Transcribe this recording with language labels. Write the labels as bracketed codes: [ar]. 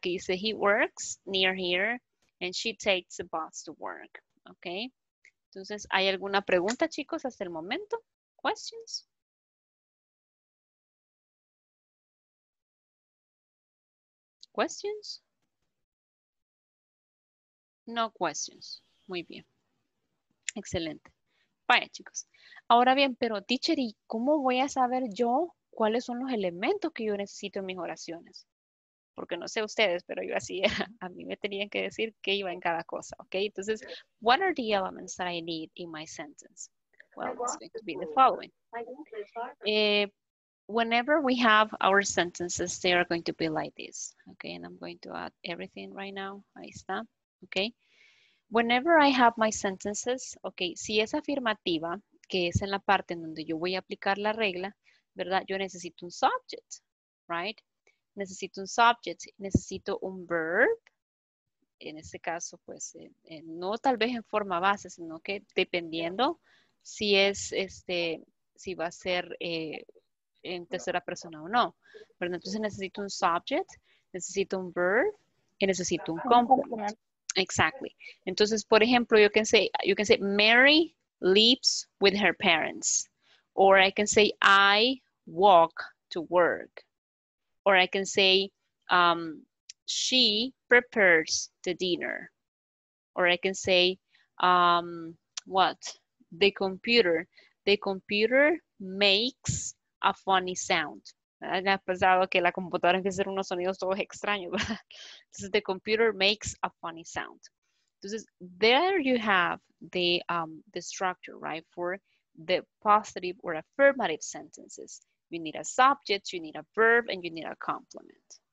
[es] Que dice, [en] he works near here, and she takes the bus to work. [es] Okay, entonces, ¿hay alguna pregunta, chicos, hasta el momento? [en] Questions? Questions? No questions. [es] Muy bien. Excelente. Vaya, chicos. Ahora bien, pero teacher, ¿y cómo voy a saber yo cuáles son los elementos que yo necesito en mis oraciones? Porque no sé ustedes, pero yo así era. A mí me tenían que decir qué iba en cada cosa, ¿ok? [en] Entonces, what are the elements that I need in my sentence? Well, it's going to be the following. Whenever we have our sentences, they are going to be like this, ¿ok? And I'm going to add everything right now. [es] Ahí está, [en] ¿ok? Whenever I have my sentences, ¿ok? [es] Si es afirmativa, que es en la parte en donde yo voy a aplicar la regla, ¿verdad? Yo necesito un subject, ¿right? Necesito un subject, necesito un verb, en este caso, pues, no tal vez en forma base, sino que dependiendo si es, si va a ser en tercera persona o no. Pero entonces necesito un subject, necesito un verb y necesito un complement. [en] Exactly. [es] Entonces, por ejemplo, [en] you can say Mary lives with her parents. Or I can say I walk to work. Or I can say, she prepares the dinner. Or I can say, The computer makes a funny sound. [es] Me ha pensado que la computadora empieza a hacer unos sonidos todos extraños, ¿verdad? [en] Entonces, the computer makes a funny sound. Entonces, there you have the structure, right? For the positive or affirmative sentences. You need a subject, you need a verb, and you need a complement.